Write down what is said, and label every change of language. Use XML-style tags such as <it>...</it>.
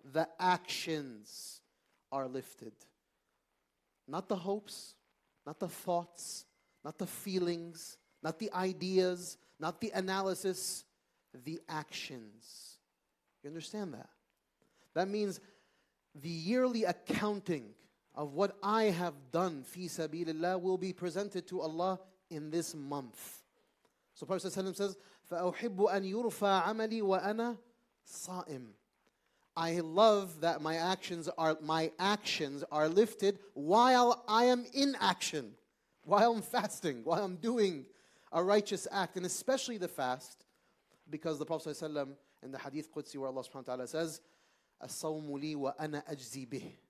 <en>The actions are lifted. Not the hopes, not the thoughts, not the feelings, not the ideas, not the analysis, the actions. You understand that? That means the yearly accounting of what I have done fi sabilillah will be presented to Allah in this month. So Prophet ﷺ says,</en> <ar>فَأُحِبُّ أَنْ يُرْفَى عَمَلِي وَأَنَا صَائِمٌ.</ar> <en>I love that my actions are lifted while I am in action, while I'm fasting, while I'm doing a righteous act, and especially the fast, because the Prophet ﷺ in the Hadith Qudsi where Allah subhanahu wa ta'ala says,</en> <ar>"As-sawmu li wa ana ajzi bih."</ar>